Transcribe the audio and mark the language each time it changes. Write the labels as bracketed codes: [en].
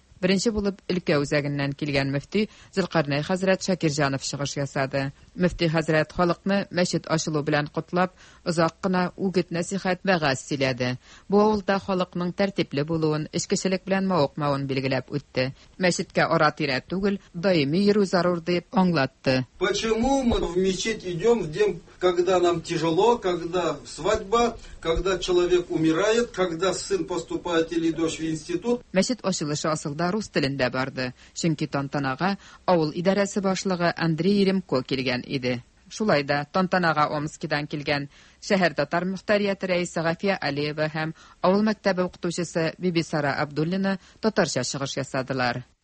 [tt] Беренче булып өлкә үзәгеннән килгән мөфти Зөлкарнай хәзрәт Шакирҗанов чыгыш ясады. Мөфти хәзрәт халыкны мәчет ачылу белән котлап, озак кына үгет нәсихәт вәгаз сөйләде. Бу авылда халыкның тәртипле булуын, эчкечелек белән мавыкмавын билгеләп үтте. Мәчеткә ара-тирә түгел, даими йөрү зарур дип аңлатты. [ru] Почему мы в мечеть идем в день, когда нам тяжело, когда свадьба, когда человек умирает, когда сын поступает или дочь в институт? [tt] Мәчет ачылышы асылда рус телендә барды, чөнки тантанага авыл идарәсе башлыгы Андрей Еремко килгән иде. Шулай да тантанага Омскидан килгән шәһәр татар мөхтәрияте рәисе Гафия Алиева һәм авыл мәктәбе укытучысы Биби Сара Абдуллина татарча чыгыш ясадылар.